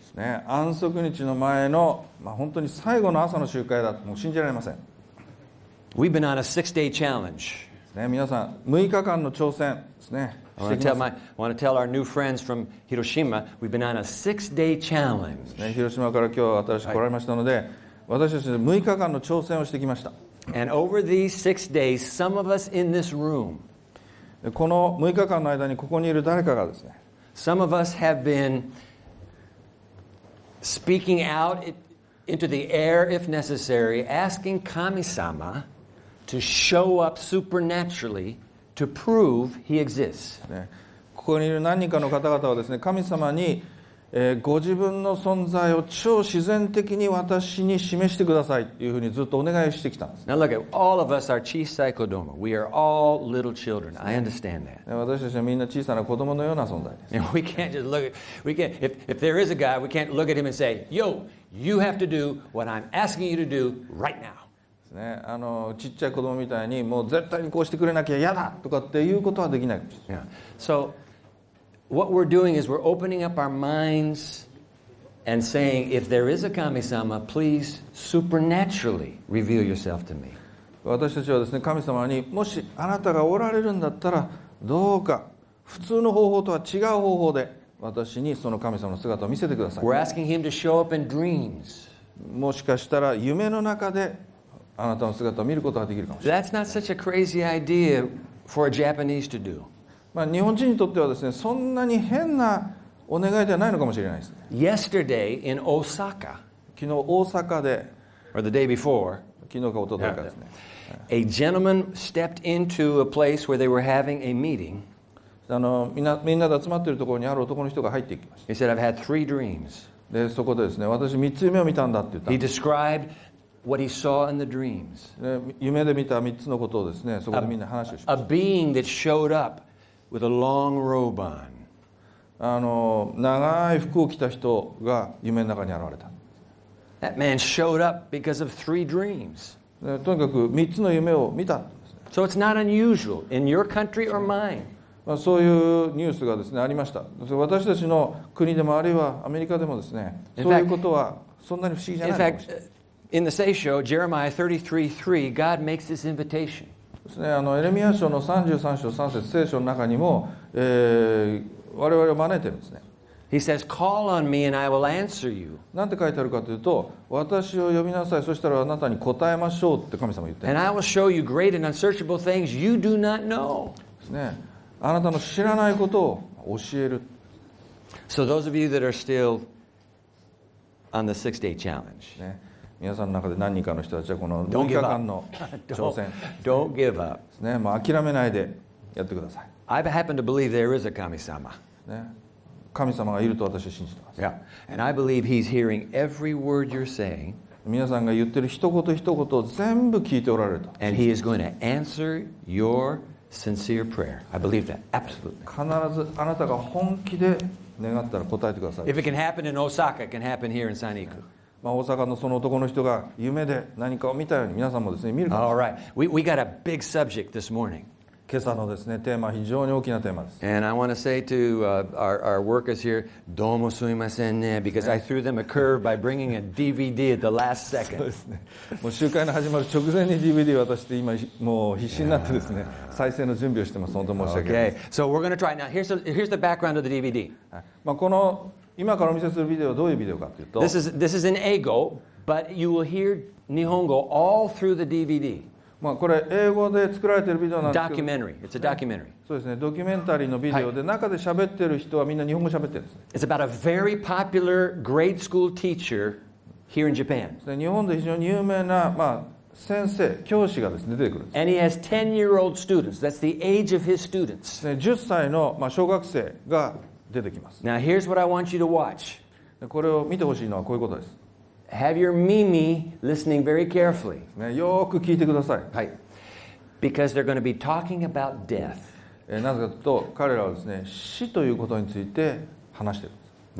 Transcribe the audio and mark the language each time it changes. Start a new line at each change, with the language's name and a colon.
Japanese: ね、安息日の前の、まあ、本当に最後の朝の集会だともう信じられません。
English: We've been on a six-day challenge。
Japanese: ね、皆さん、6日間の挑戦ですね。
English: I want to tell our new friends from Hiroshima, we've been on a six-day challenge.
Japanese: ね、広島から今日新しく来られましたので、私たち6日間の挑戦をしてきました。
English: And over these six days, some of us in this room,
Japanese: この6日間の間にここにいる誰かがですね、
English: some of us have been speaking out into the air if necessary, asking Kami-sama to show up supernaturally. To prove he exists.
Japanese: ここにいる何人かの方々はですね、神様に、ご自分の存在を超自然的に私に示してくださいというふうにずっとお願いしてきたんです。
English: Now look at all of us are
Japanese: 小さい子供。
English: We are all little children. I understand that.
Japanese: 私たちはみんな小さな子供のような存在です。
English: We can't just look at, we can't, if there is a God, we can't look at him and say, Yo, you have to do what I'm asking you to do right now.
Japanese: ね、あのちっちゃい子供みたいにもう絶対にこうしてくれなきゃ嫌だとかっていうことはできない。
English: Yeah. So what we're doing is we're opening up our minds and saying if there is a Kami-sama, please supernaturally reveal yourself to me.
Japanese: 私たちはですね、神様にもしあなたがおられるんだったらどうか普通の方法とは違う方法で私にその神様の姿を見せてください。
English: We're asking him to show up in dreams.
Japanese: もしかしたら夢の中であなたの姿を見ることができるかもしれない。
English: That's not such a crazy idea for a Japanese to do.
Japanese: まあ日本人にとってはですね、そんなに変なお願いではないのかもしれないですね。
English: Yesterday in Osaka,
Japanese: 昨日大阪で、
English: or the day before,
Japanese: 昨日か一昨日かですね。
English: A gentleman stepped into a place where they were having a meeting.
Japanese: あのみんなが集まっているところにある男の人が入っていきました。
English: He said, "I've had three dreams."
Japanese: でそこでですね、私三つ夢を見たんだって言った。
English: He described. What he saw in the dreams.
Japanese: 夢で見た3つのことをですね、そこでみんな話をしました。
English: A being that showed up with a long robe on.
Japanese: あの、長い服を着た人が夢の中に現れた。
English: That man showed up because of three dreams.
Japanese: とにかく3つの夢を見た。
English: So it's not unusual in your country or mine.
Japanese: まあ、そういうニュースがですね、ありました。私たちの国でもあるいはアメリカでもですね、そういうことはそんなに不思議じゃないかもしれない。
English: In the Seisho, Jeremiah 33:3, God makes this invitation.
Japanese: ですね、あのエレミヤ書の33章3節、聖書の中にも、我々を招いてるんですね。
English: He says, "Call on me, and I will answer you."
Japanese: なんて書いてあるかというと、私を呼びなさい、そしたらあなたに答えましょうって神様言って。
English: And I will show you great and unsearchable things you do not know.
Japanese: ですね、あなたの知らないことを教える。
English: So those of you that are still on the six-day challenge.
Japanese: ね。皆さんの中で何人かの人たちはこの6日間の挑戦
English: Don't give up.
Japanese: ですね、もう諦めないでやってください。
English: I happen to believe there is a 神様、
Japanese: ね、神様がいると私は信じてます。
English: Yeah. And I believe he's hearing every word you're saying.
Japanese: 皆さんが言ってる一言一言を全部聞いておられると。
English: And he is going to answer your sincere prayer. I believe that absolutely.
Japanese: 必ずあなたが本気で願ったら答えてください。
English: If it can happen in Osaka, it can happen here in Saniku.
Japanese: まあ、大阪のその男の人が夢で何かを見たように皆さんもですね見るかもしれない。
English: All right. We got a big subject this morning.
Japanese: 今朝のですねテーマ非常に大きなテーマです。
English: And I want to say to our workers here,
Japanese: どうもすみませんね
English: because I threw them a curve by bringing a DVD at the last second.
Japanese: そうですね、もう集会の始まる直前に DVD 渡して今もう必死になってですね再生の準備をしてます。本当申し訳ないです。
English: Okay. So we're going to try now. Here's the background of the DVD.
Japanese: まあこの今からお見せするビデオはどういうビデオかというと、
English: This is in 英語, but you will hear 日本語 all through the DVD.
Japanese: まあこれ英語で作られているビデオなんですけど、
English: Documentary. It's a documentary.
Japanese: そうですね、ドキュメンタリーのビデオで中で喋ってる人はみんな日本語喋ってるんですね。
English: It's about a very popular grade school teacher here in Japan.
Japanese: 日本で非常に有名な、まあ、先生、教師がですね、出てくるんです。
English: And he has 10-year-old students. That's the age of his students.
Japanese: 10歳の、まあ、小学生が出てきます。
English: Now here's what I want you to watch.
Japanese: これを見てほしいのはこういうことです。
English: Have your Mimi listening very carefully.
Japanese: ね、よく聞いてください。はい。
English: Because they're going to be talking about death.
Japanese: なぜかというと彼らはですね、死ということについて話してるんです。